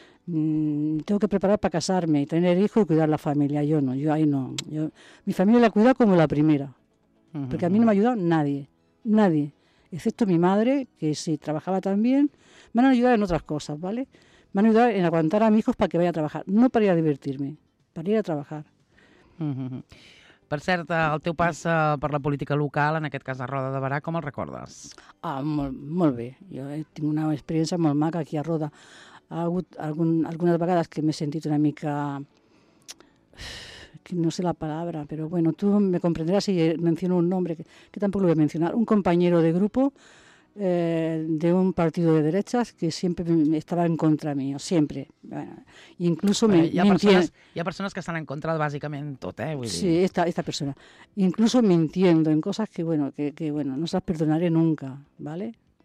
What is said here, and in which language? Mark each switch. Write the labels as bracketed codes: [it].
[es] Tengo que preparar para casarme, tener hijos y cuidar la familia. Yo no, yo ahí no. Yo, mi familia la cuida como la primera, porque a mí no me ha ayudado nadie, excepto mi madre, que sí, trabajaba también. Me han ayudado en otras cosas, ¿vale? Me han ayudado en aguantar a mis hijos para que vaya a trabajar, no para ir a divertirme, para ir a trabajar. [ca] Per cert, el teu pas per la política local, en aquest cas a Roda de Barà, com el recordes? Ah, molt bé. Jo tinc una experiència molt maca aquí a Roda. Ha hagut algunes vegades que m'he sentit una mica... [es] que no sé la palabra, pero bueno, tú me comprenderás si menciono un nombre que tampoco lo voy a mencionar. Un compañero de grupo de un partido de derechas que siempre estaba en contra mío, siempre. Bueno, incluso [ca] Hi ha persones que estan en contra de bàsicament tot, eh? Vull sí, dir. [es] Esta persona. Incluso mintiendo en cosas que no se las perdonaré nunca, ¿vale?